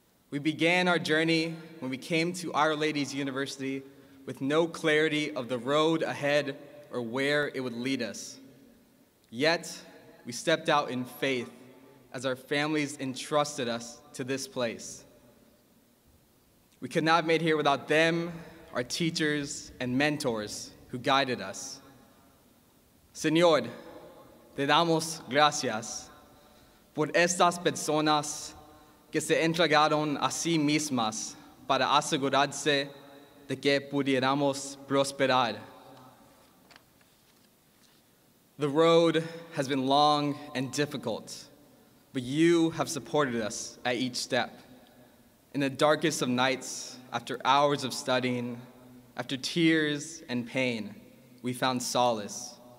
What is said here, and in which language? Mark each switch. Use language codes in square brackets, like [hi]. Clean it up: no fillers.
[en] We began our journey when we came to Our Lady's University with no clarity of the road ahead or where it would lead us. Yet, we stepped out in faith as our families entrusted us to this place. We could not have made here without them, our teachers, and mentors who guided us. [es] Señor, te damos gracias por estas personas que se entregaron a sí mismas para asegurarse de que pudiéramos prosperar. [en] The road has been long and difficult, but you have supported us at each step. In the darkest of nights, after hours of studying, after tears and pain, we found solace.